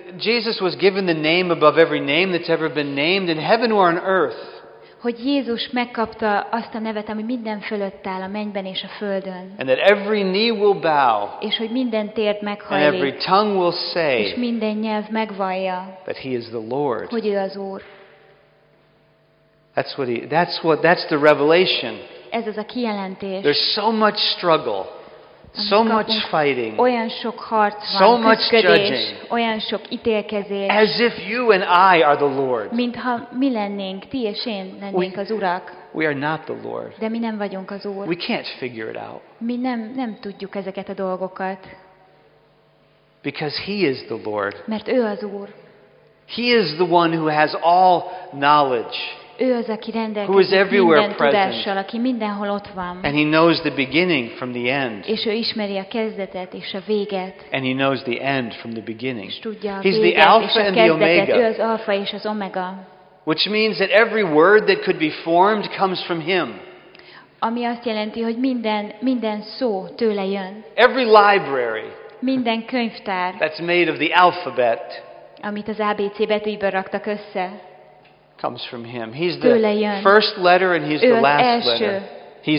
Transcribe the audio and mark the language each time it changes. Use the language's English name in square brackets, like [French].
[English] Jesus was given the name above every name that's ever been named in heaven or on earth. [Hungarian] Hogy Jézus megkapta azt a nevet, ami minden fölött áll, a mennyben és a földön. [English] And that every knee will bow. [Hungarian] És hogy minden térd meghajlik. [English] And every tongue will say. [Hungarian] És minden nyelv megvallja. [English] That he is the Lord. [Hungarian] Hogy ő az Úr. [English] That's the revelation. [Hungarian] Ez az a kijelentés. [English] There's so much struggle. So much fighting. [Hungarian] Olyan sok harc van, [English] so much judging. [Hungarian] Olyan sok ítélkezés. [English] As if you and I are the Lord. [Hungarian] Mintha mi lennénk, ti és én lennénk az urak. [English] We are not the Lord. [Hungarian] De mi nem vagyunk az Úr. [English] We can't figure it out. [Hungarian] Mi nem tudjuk ezeket a dolgokat. [English] Because he is the Lord. [Hungarian] Mert ő az Úr. [English] He is the one who has all knowledge. [Hungarian] Ő az, aki rendelkezik minden tudással, aki mindenhol ott van. [English] And he knows the beginning from the end. [Hungarian] És ő ismeri a kezdetet és a véget. [English] And he knows the end from the beginning. [Hungarian] És tudja a [English] He's [Hungarian] véget [English] the alpha [Hungarian] és a [English] and [Hungarian] kezdetet. [English] The omega. [Hungarian] Ő az alfa és az omega. [English] Which means that every word that could be formed comes from him. [Hungarian] Ami azt jelenti, hogy minden szó tőle jön. [English] Every library. [Hungarian] Minden könyvtár. [English] That's made of the alphabet. [Hungarian] Amit az ABC betűből raktak össze. [English] Comes from him. He's the first letter and he's [Hungarian] ő [English] the last letter. He's